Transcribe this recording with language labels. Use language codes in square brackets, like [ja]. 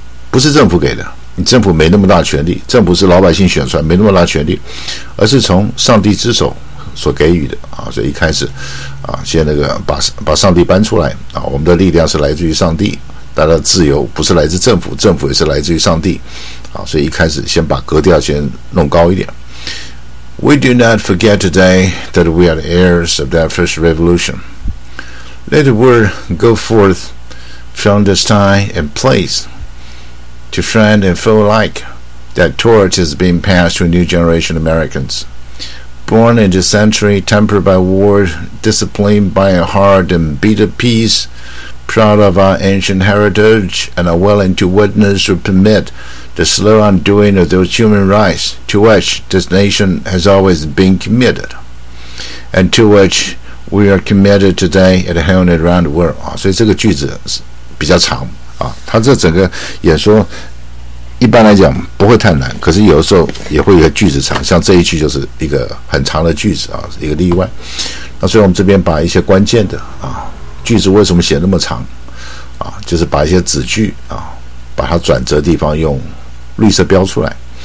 [zh] 不是政府给的，你政府没那么大权利，政府是老百姓选出来没那么大权利，而是从上帝之手所给予的啊，所以一开始啊，先那个把上帝搬出来啊，我们的力量是来自于上帝，大家的自由不是来自政府，政府也是来自于上帝啊，所以一开始先把格调先弄高一点。 [en] We do not forget today that we are the heirs of that first revolution. Let the word go forth from this time and place to friend and foe alike. That torch is being passed to a new generation of Americans. Born in this century, tempered by war, disciplined by a hard and bitter peace, proud of our ancient heritage, and unwilling to witness or permit the slow undoing of those human rights to which this nation has always been committed, and to which we are committed today at home and around the world. [zh] 所以这个句子比较长啊，他这整个演说一般来讲不会太难，可是有的时候也会有句子长，像这一句就是一个很长的句子啊，一个例外。那所以我们这边把一些关键的啊句子为什么写那么长啊，就是把一些子句啊，把它转折地方用绿色标出来。